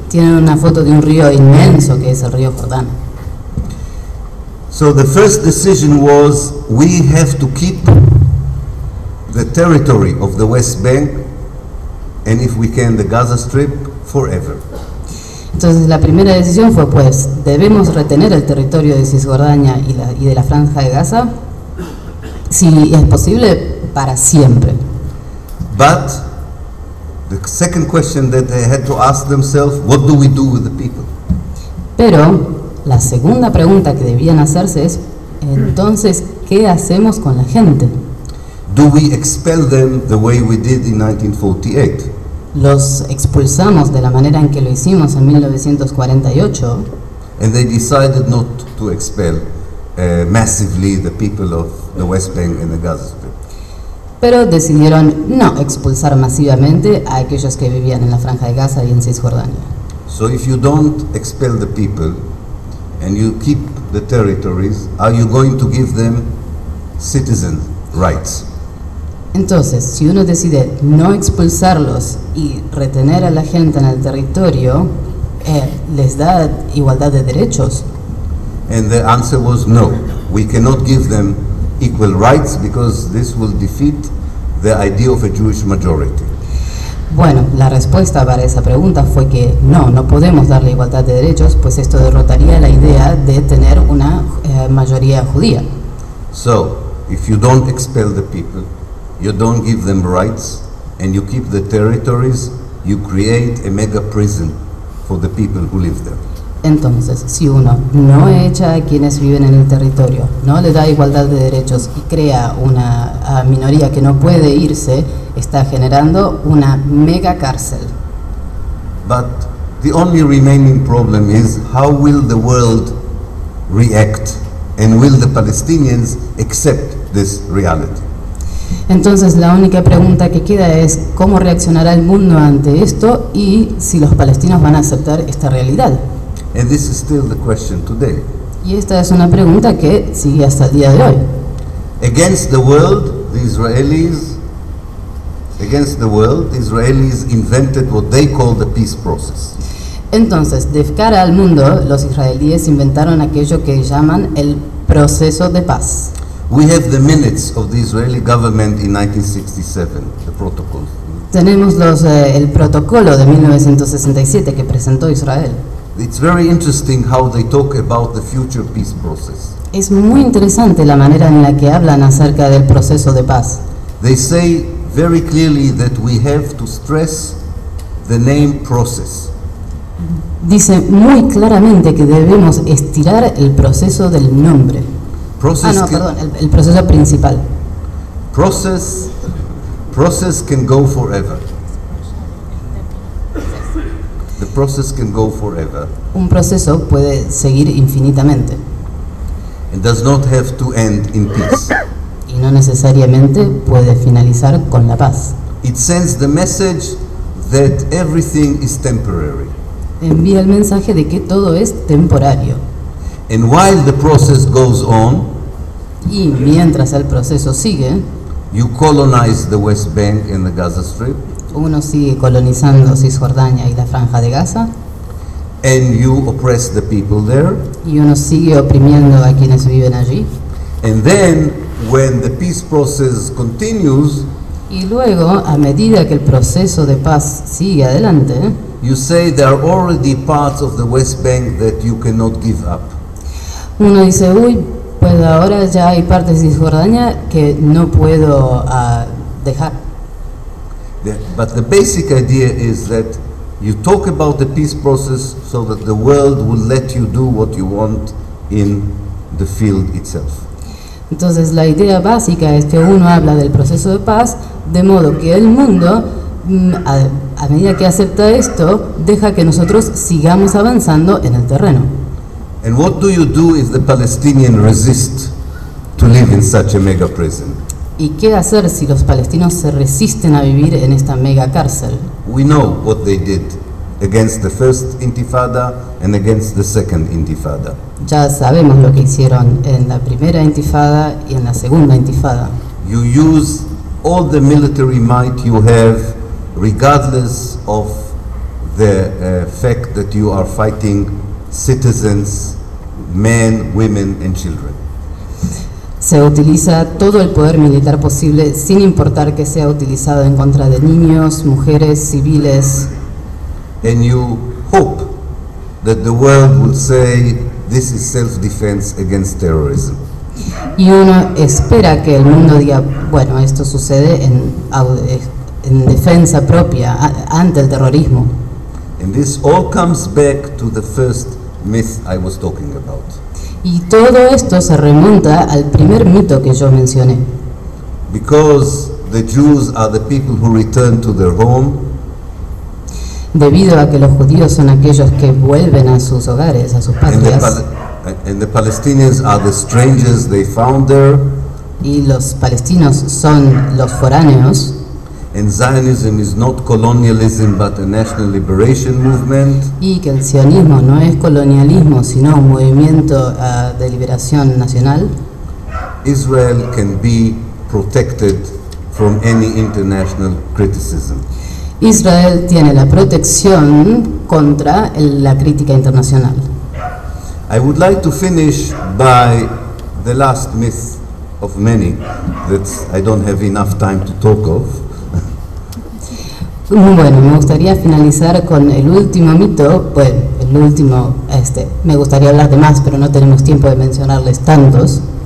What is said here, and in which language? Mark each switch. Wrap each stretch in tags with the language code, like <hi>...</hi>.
<es>Tienen una foto de un río inmenso que es el río Jordán.</es> <en>So the first decision was we have to keep the territory of the West Bank and if we can the Gaza Strip forever.</en> <es>Entonces la primera decisión fue pues debemos retener el territorio de Cisjordania y de la franja de Gaza si es posible para siempre.</es> <en>But the second question that they had to ask themselves, what do we do with the people?</en> <es>Pero la segunda pregunta que debían hacerse es, entonces, ¿qué hacemos con la gente?</es> <en>Do we expel them the way we did in 1948?</en> <es>Los expulsamos de la manera en que lo hicimos en 1948.</es> <en>And they decided not to expel massively the people of the West Bank and the Gaza Strip.</en> <es>Pero decidieron no expulsar masivamente a aquellos que vivían en la franja de Gaza y en Cisjordania.</es> <en>So if you don't expel the people and you keep the territories, are you going to give them citizen rights?</en> <es>Entonces, si uno decide no expulsarlos y retener a la gente en el territorio, ¿les da igualdad de derechos?</es> <en>And the answer was no. We cannot give them equal rights because this will defeat the idea of a Jewish majority.</en> <es>Bueno, la respuesta para esa pregunta fue que no podemos darle igualdad de derechos, pues esto derrotaría la idea de tener una mayoría judía.</es> <en>So, if you don't expel the people, you don't give them rights, and you keep the territories, you create a mega prison for the people who live there.</en> <es>Entonces, si uno no echa a quienes viven en el territorio, no le da igualdad de derechos y crea una minoría que no puede irse, está generando una mega cárcel.</es> <en>But the only remaining problem is how will the world react and will the Palestinians accept this reality?</en> <es>Entonces, la única pregunta que queda es cómo reaccionará el mundo ante esto y si los palestinos van a aceptar esta realidad.</es> <en>And this is still the question today.</en> <es>Y esta es una pregunta que sigue hasta el día de hoy.</es> <en>Against the world, the Israelis invented what they call the peace process.</en> <es>Entonces, de cara al mundo, los israelíes inventaron aquello que llaman el proceso de paz.</es> <en>We have the minutes of the Israeli government in 1967, the protocol.</en> <es>Tenemos los el protocolo de 1967 que presentó Israel.</es> <en>It's very interesting how they talk about the future peace process.</en> <es>Es muy interesante la manera en la que hablan acerca del proceso de paz.</es> <en>They say very clearly that we have to stress the name process.</en> <es>Dice muy claramente que debemos estirar el proceso del nombre.</es> <en>Process</en> <es>ah, no, perdón, el proceso principal.</es> <en>Process can go forever. The process can go forever.</en> <es>Un proceso puede seguir infinitamente.</es> <en>It does not have to end in peace.</en> <es>Y no necesariamente puede finalizar con la paz.</es> <en>It sends the message that everything is temporary.</en> <es>Envía el mensaje de que todo es temporario.</es> <en>And while the process goes on,</en> <es>y mientras el proceso sigue,</es> <en>you colonize the West Bank and the Gaza Strip.</en> <es>Uno sigue colonizando Cisjordania y la Franja de Gaza.</es> <en>And you oppress the people there.</en> <es>Y uno sigue oprimiendo a quienes viven allí.</es> <en>And then, when the peace process continues,</en> <es>y luego, a medida que el proceso de paz sigue adelante,</es> <en>you say there are already parts of the West Bank that you cannot give up.</en> <es>Uno dice, uy, pues ahora ya hay partes de Cisjordania que no puedo dejar.</es> <en>But the basic idea is that you talk about the peace process so that the world will let you do what you want in the field itself.</en> <es>Entonces la idea básica es que uno habla del proceso de paz de modo que el mundo, a medida que acepta esto, deja que nosotros sigamos avanzando en el terreno.</es> <en>And what do you do if the Palestinians resist to live in such a mega prison?</en> <es>¿Y qué hacer si los palestinos se resisten a vivir en esta mega cárcel?</es> <en>We know what they did against the first intifada and against the second intifada.</en> <es>Ya sabemos lo que hicieron en la primera intifada y en la segunda intifada.</es> <en>You use all the military might you have, regardless of the fact that you are fighting citizens, men, women, and children.</en> <es>Se utiliza todo el poder militar posible sin importar que sea utilizado en contra de niños, mujeres, civiles.</es> <en>And you hope that the world will say this is self-defense against terrorism.</en> <es>Y uno espera que el mundo diga, bueno, esto sucede en defensa propia ante el terrorismo.</es> <en>And this all comes back to the first myth I was talking about.</en> <es>Y todo esto se remonta al primer mito que yo mencioné.</es> <en>Because the Jews are the people who return to their home.</en> <es>Debido a que los judíos son aquellos que vuelven a sus hogares, a sus patrias.</es> <en>And the Palestinians are the strangers they found there.</en> <es>Y los palestinos son los foráneos.</es> <en>And Zionism is not colonialism, but a national liberation movement.</en> <es>Y que el sionismo no es colonialismo, sino un movimiento de liberación nacional.</es> <en>Israel can be protected from any international criticism.</en> <es>Israel tiene la protección contra la crítica internacional.</es> <en>I would like to finish by the last myth of many that I don't have enough time to talk of.</en> <es>Bueno, me gustaría finalizar con el último mito, pues el último, me gustaría hablar de más, pero no tenemos tiempo de mencionarles tantos.</es>